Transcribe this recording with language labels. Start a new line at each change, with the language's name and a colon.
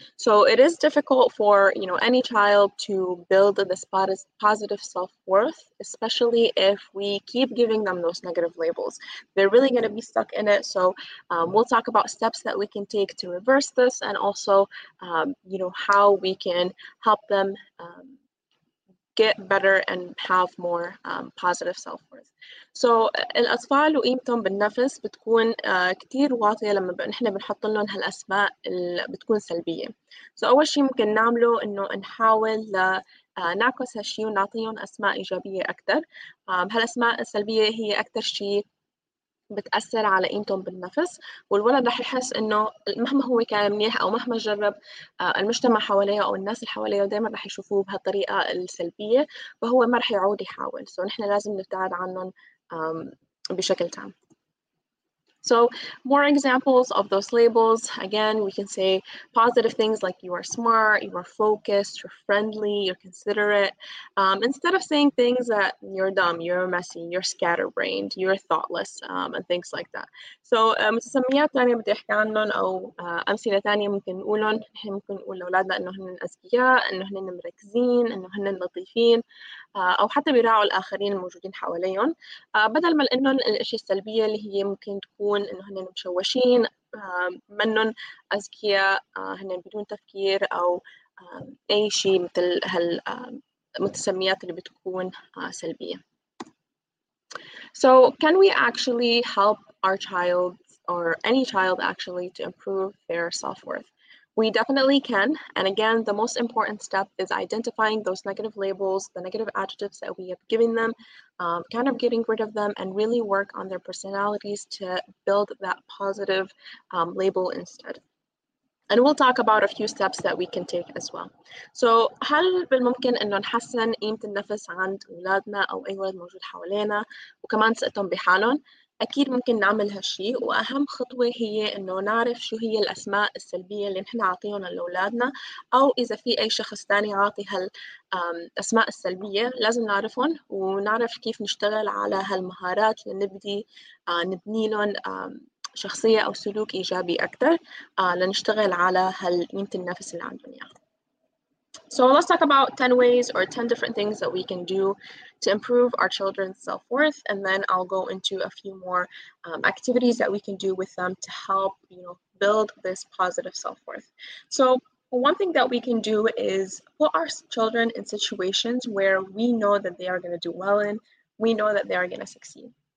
English: So it is difficult for you know any child to build this positive self-worth, especially if we keep giving them those negative labels. They're really going to be stuck in it. So we'll talk about steps that we can take to reverse this, and also you know how we can help them get better and have more positive self-worth.
Arabic: So الأطفال وقيمتهم بالنفس بتكون كتير واطية لما نحن بنحط لهم هالأسماء اللي بتكون سلبية. So أول شيء ممكن نعمله إنه نحاول نعكس هالشيء ونعطيهم أسماء إيجابية أكثر. هالأسماء السلبية هي أكثر شيء بتأثر على قيمتهم بالنفس والولد رح يحس إنه مهما هو كان منيح أو مهما جرب المجتمع حواليه أو الناس اللي حواليه دائما رح يشوفوه بهالطريقة السلبية فهو ما رح يعود يحاول سو نحن لازم نبتعد عنهم بشكل تام.
English: So more examples of those labels. Again, we can say positive things like you are smart, you are focused, you're friendly, you're considerate. Instead of saying things that you're dumb, you're messy, you're scatterbrained, you're thoughtless, and things like that.
Arabic: So متسميات تانية بدي أحكي عنهم أو أمثلة تانية ممكن نقولهم نحن ممكن نقول لأولادنا إنه هن أذكياء، إنه هن مركزين، إنه هن لطيفين. أو حتى بيراعوا الآخرين الموجودين حواليهم بدل ما لأنه الأشياء السلبية اللي هي ممكن تكون إنه هن مشوشين منهم أذكياء هن بدون تفكير أو أي شيء مثل هالمتسميات اللي بتكون سلبية.
English: So can we actually help our child or any child actually to improve their self-worth? We definitely can. And again, the most important step is identifying those negative labels, the negative adjectives that we have given them, kind of getting rid of them and really work on their personalities to build that positive label instead. And we'll talk about a few steps that we can take as well.
Arabic: So, هل بالممكن إنه نحسن قيمة النفس عند أولادنا أو أي ولد موجود حوالينا وكمان ثقتهم بحالهم؟ أكيد ممكن نعمل هالشيء وأهم خطوة هي إنه نعرف شو هي الأسماء السلبية اللي نحن عاطيهم لأولادنا أو إذا في أي شخص تاني عاطي هالأسماء السلبية لازم نعرفهم ونعرف كيف نشتغل على هالمهارات لنبدي نبني لهم شخصية أو سلوك إيجابي أكثر لنشتغل على هالقيمة النفس اللي عندهم إياها.
English: So let's talk about 10 ways or 10 different things that we can do to improve our children's self-worth, and then I'll go into a few more activities that we can do with them to help, you know, build this positive self-worth. So one thing that we can do is put our children in situations where we know that they are going to do well in, we know that they are going to succeed.